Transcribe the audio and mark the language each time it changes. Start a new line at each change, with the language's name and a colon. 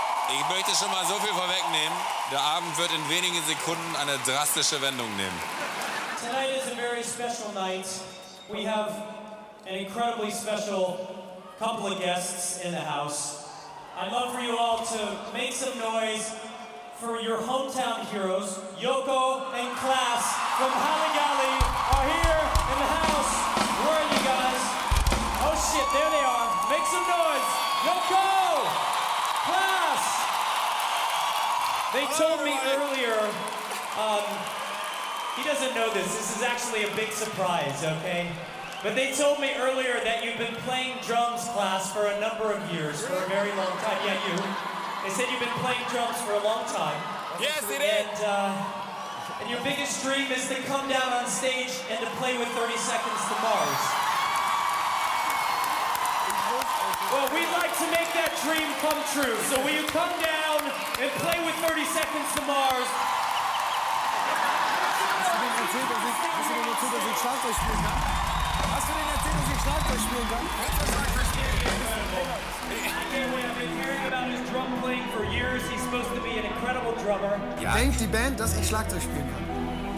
German: Ich möchte schon mal so viel vorwegnehmen. Der Abend wird in wenigen Sekunden eine drastische Wendung nehmen.
English: Tonight is a very special night. We have an incredibly special couple of guests in the house. I'd love for you all to make some noise for your hometown heroes. Yoko and Klaas from Haligali are here in the house. Where are you guys? Oh shit, there they are. Make some noise. Yoko! Klaas! They told me earlier, he doesn't know this. This is actually a big surprise, okay? But they told me earlier that you've been playing drums, Klaas, for a number of years, for a very long time. Yeah, you. They said you've been playing drums for a long time. Yes, it is. And your biggest dream is to come down on stage and to play with 30 Seconds to Mars. Well, we'd like to make that dream come true. So will you come down and play with 30 Seconds to Mars?
German: Hast du denn erzählt, dass ich Schlagzeug spielen kann? Ja. Denkt die Band, dass ich Schlagzeug spielen kann?